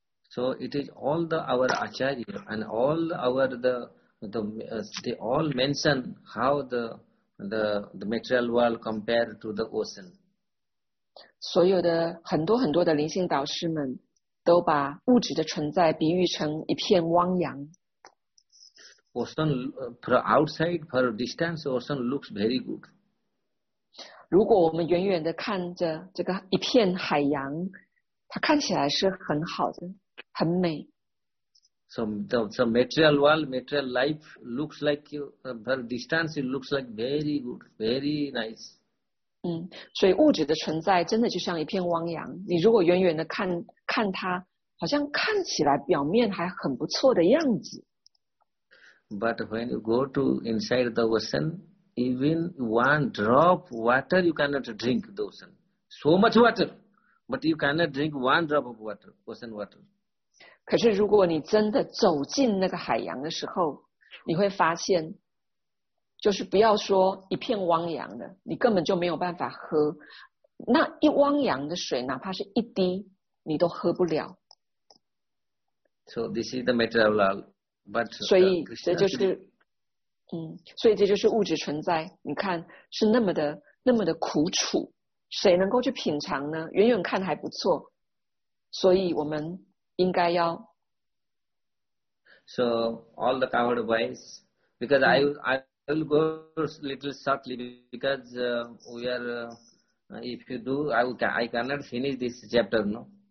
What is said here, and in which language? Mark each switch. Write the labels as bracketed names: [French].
[English] So it is all the our acharya and all our they all mention how the material world compared to the ocean. [Chinese] 所有的很多很多的灵性导师们都把物质的存在比喻成一片汪洋。 [English] Ocean for outside for distance ocean looks very good. [Chinese] 如果我们远远的看着这个一片海洋，它看起来是很好的。很美。 [English] So material world, material life looks like for distance, it looks like very good, very nice. [Chinese] 所以物质的存在真的就像一片汪洋。你如果远远的看看它，好像看起来表面还很不错的样子。 [English] But when you go to inside the ocean, even one drop water you cannot drink the ocean. So much water, but you cannot drink one drop of water, ocean water. [Chinese] 可是如果你真的走进那个海洋的时候，你会发现就是不要说一片汪洋的，你根本就没有办法喝那一汪洋的水，哪怕是一滴你都喝不了。 [English] So this is the material world, but [Chinese] 所以这就是所以这就是物质存在，你看是那么的苦楚，谁能够去品尝呢？远远看还不错，所以我们应该要。 [English] So all the coward boys, because I will go little shortly because we are if you do I cannot finish this chapter, no.